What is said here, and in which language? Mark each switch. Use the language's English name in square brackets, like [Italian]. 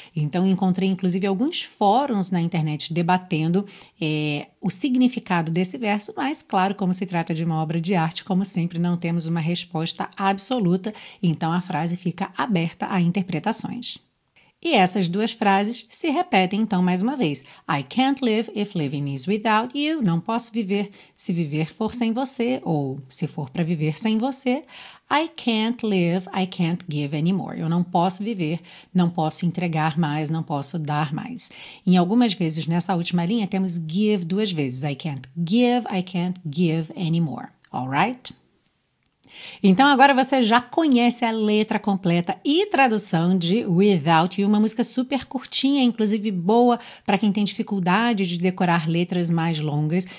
[Portuguese] Então, encontrei inclusive alguns fóruns na internet debatendo o significado desse verso, mas claro, como se trata de uma obra de arte, como sempre, não temos uma resposta absoluta, então a frase fica aberta a interpretações. E essas duas frases se repetem então mais uma vez. [English] I can't live if living is without you. [Portuguese] Não posso viver se viver for sem você, ou se for para viver sem você. [English] I can't live, I can't give anymore. [Portuguese] Eu não posso viver, não posso entregar mais, não posso dar mais. Em algumas vezes nessa última linha temos give duas vezes. [English] I can't give anymore. All right? [Portuguese] Então agora você já conhece a letra completa e tradução de Without You, uma música super curtinha, inclusive boa para quem tem dificuldade de decorar letras mais longas.